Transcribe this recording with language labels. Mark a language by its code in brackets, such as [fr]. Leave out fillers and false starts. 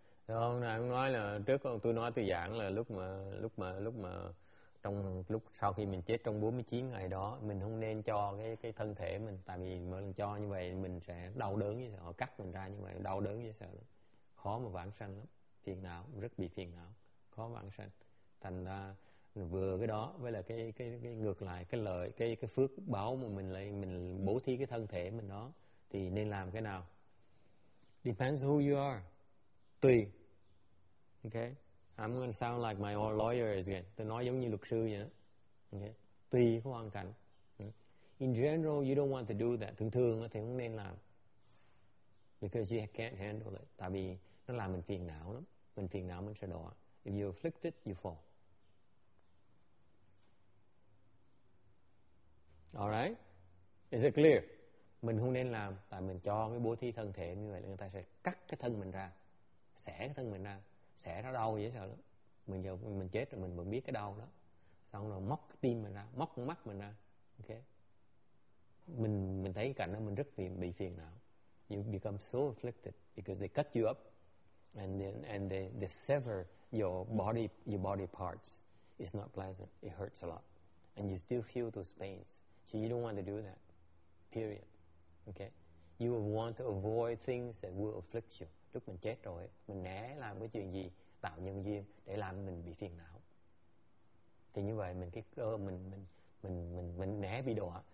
[vi] Rồi hôm nay ông nói là trước tôi nói tôi giảng là lúc mà trong lúc sau khi mình chết trong 49 ngày đó mình không nên cho cái thân thể mình, tại vì mỗi lần cho như vậy mình sẽ đau đớn, như họ cắt mình ra như vậy đau đớn như sợ khó mà vãng sanh lắm. Phiền não, rất bị phiền não, khó vãng sanh. Thành ra vừa cái đó với là cái ngược lại cái lợi, cái phước báo mà mình lấy, mình bố thí cái thân thể mình đó thì nên làm cái nào? [en] Depends who you are. [vi] Tùy. [en] Okay. I'm going to sound like my old lawyer again. [vi] Tôi nói giống như luật sư vậy đó. Okay. Tùy cái hoàn cảnh. [en] In general, you don't want to do that. [vi] Thường thường thì không nên làm. [en] Because you can't handle it. [vi] Tại vì nó làm mình phiền não lắm. Mình phiền não mình sẽ đọa. [en] If you afflict it, you fall. Alright? Is it clear? [vi] Mình không nên làm. Tại mình cho cái bố thí thân thể như vậy là người ta sẽ cắt cái thân mình ra. Xẻ cái thân mình ra. Xẻ nó đau dễ sợ lắm. Mình giờ mình chết rồi mình vẫn biết cái đau đó. Xong rồi móc cái tim mình ra. Móc cái mắt mình ra. Okay? Mình thấy cảnh đó mình rất bị phiền não. [en] You become so afflicted because they cut you up. And then they sever your body parts. It's not pleasant. It hurts a lot, and you still feel those pains. So you don't want to do that. Period. Okay. You will want to avoid things that will afflict you. [vi] Lúc mình chết rồi, mình né làm cái chuyện gì tạo nhân duyên để làm mình bị phiền não. Thì như vậy mình cái cơ mình né bị đọa.